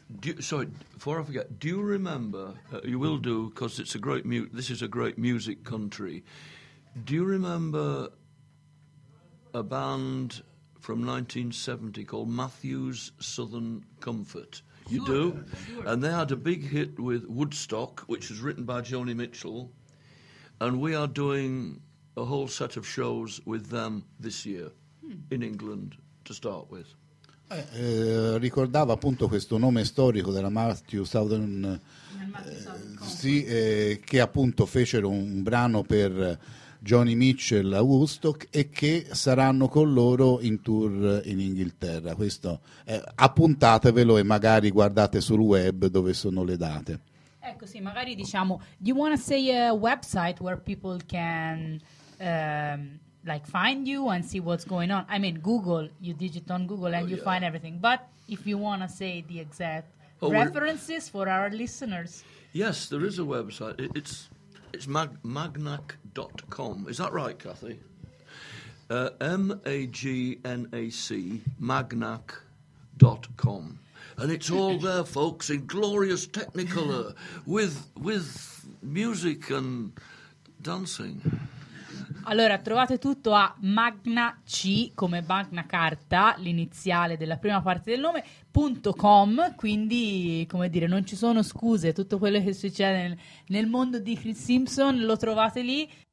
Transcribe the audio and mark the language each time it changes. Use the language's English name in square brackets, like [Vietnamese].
[English] Before I forget, do you remember, you will do, because it's a great this is a great music country, do you remember a band from 1970 called Matthew's Southern Comfort? You sure. Do? Sure. And they had a big hit with Woodstock, which was written by Joni Mitchell, and we are doing a whole set of shows with them this year. In England to start with. [Italian] Ricordava appunto questo nome storico della Matthew Southern, sì, che appunto fecero un brano per Joni Mitchell a Woodstock e che saranno con loro in tour in Inghilterra. Questo appuntatevelo e magari guardate sul web dove sono le date. Ecco, sì, magari diciamo. [English] Do you want to say a website where people can like find you and see what's going on? I mean, Google, you digit on Google and find everything. But if you want to say the exact references for our listeners. Yes, there is a website. It's magnac.com. Is that right, Kathy? MAGNAC, magnac.com. And it's all there, folks, in glorious technicolor with music and dancing. [Italian] Allora, trovate tutto a Magna C, come Magna Carta, l'iniziale della prima parte del nome, .com, quindi, come dire, non ci sono scuse, tutto quello che succede nel mondo di Chris Simpson lo trovate lì.